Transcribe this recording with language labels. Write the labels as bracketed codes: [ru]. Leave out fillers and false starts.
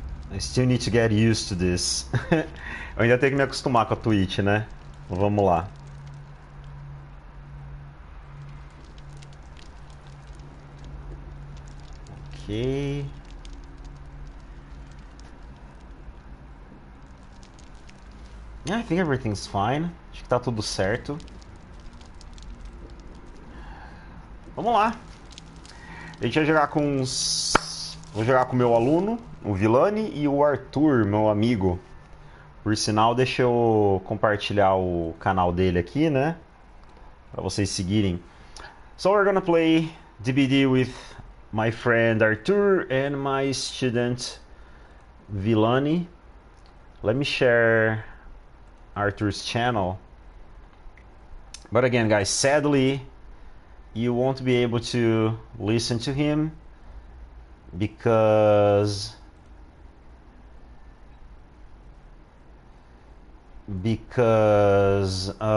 [en] I still need to get used to this. [pt] Eu ainda tenho que me acostumar com a Twitch, né? Vamos lá. [en] Yeah, I think everything's fine. [pt] Acho que tá tudo certo. Vamos lá. A gente vai jogar com os. Vou jogar com o meu aluno, o Villani, e o Arthur, meu amigo. Por sinal, deixa eu compartilhar o canal dele aqui, né? Pra vocês seguirem. [en] So we're gonna play DBD with my friend Arthur and my student Villani. Let me share Arthur's channel. But again, guys, sadly, you won't be able to listen to him because